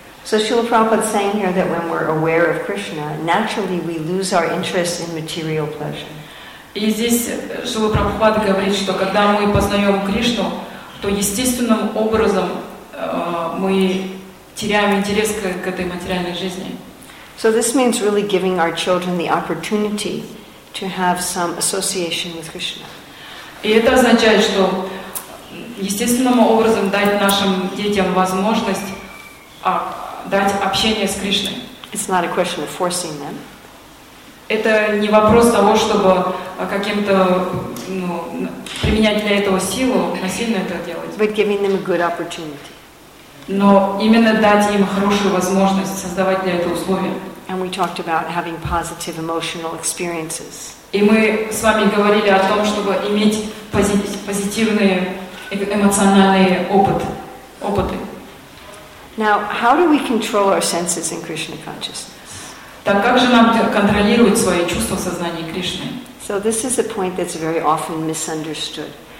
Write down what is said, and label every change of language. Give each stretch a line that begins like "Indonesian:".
English: So Srila Prabhupada is saying here that when we're aware of Krishna, naturally we lose our interest in material pleasure.
Russian: И здесь Srila Prabhupada говорит, что когда мы познаем Кришну, то естественным образом мы теряем интерес к этой материальной жизни.
English: So this means really giving our children the opportunity to have some association with Krishna.
Russian: И это означает, что естественным образом дать нашим детям возможность дать общение с Кришной.
English: It's not a question of forcing them.
Russian: Это не вопрос того, чтобы каким-то применять для этого силу, насильно это делать.
English: But giving them a good opportunity.
Russian: Но именно дать им хорошую возможность создавать для этого условия.
English: And we talked about having positive emotional experiences.
Russian: И мы с вами говорили о том, чтобы иметь позитивные эмоциональные опыты.
English: Now, how do we control our senses in Krishna consciousness?
Russian: Так как же нам контролировать свои чувства в сознании Кришны?
English: So this is a point that's very often misunderstood.